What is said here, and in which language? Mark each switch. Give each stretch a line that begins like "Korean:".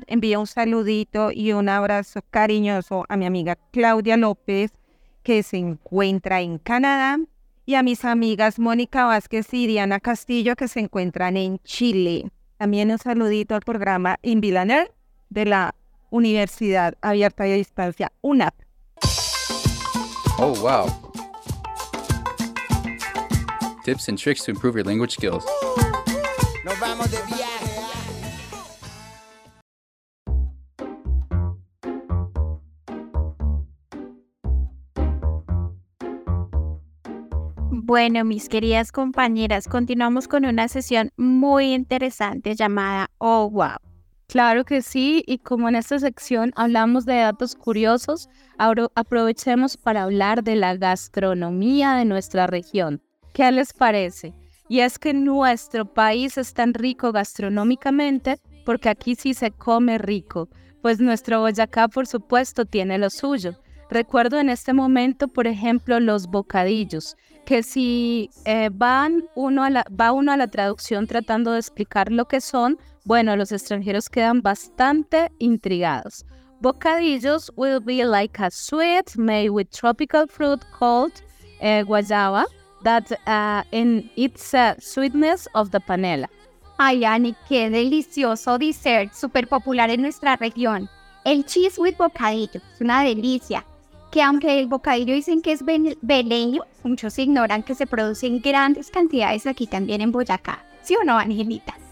Spanish: Envío un saludito y un abrazo cariñoso a mi amiga Claudia López, que se encuentra en Canadá, y a mis amigas Mónica Vázquez y Diana Castillo, que se encuentran en Chile. También un saludito al programa InBill On Air de la Universidad Abierta y a Distancia, UNAP.
English: Oh, wow. Tips and tricks to improve your language skills.
Spanish: Nos vamos de viaje. Bueno, mis queridas compañeras, continuamos con una sesión muy interesante llamada Oh Wow. Claro que sí, y como en esta sección hablamos de datos curiosos, ahora aprovechemos para hablar de la gastronomía de nuestra región. ¿Qué les parece? Y es que nuestro país es tan rico gastronómicamente porque aquí sí se come rico, pues nuestro Boyacá, por supuesto, tiene lo suyo. Recuerdo en este momento, por ejemplo, los bocadillos, que si va uno a la traducción tratando de explicar lo que son, bueno, los extranjeros quedan bastante intrigados.
English: Bocadillos will be like a sweet made with tropical fruit called guayaba, that in its sweetness of the panela.
Spanish: Ay, Ani, qué delicioso dessert, súper popular en nuestra región. El
English: cheese with
Spanish: bocadillo, es una delicia. Que aunque el bocadillo dicen que es veleño, muchos ignoran que se producen grandes cantidades aquí también en Boyacá. ¿Sí o no, Angelita?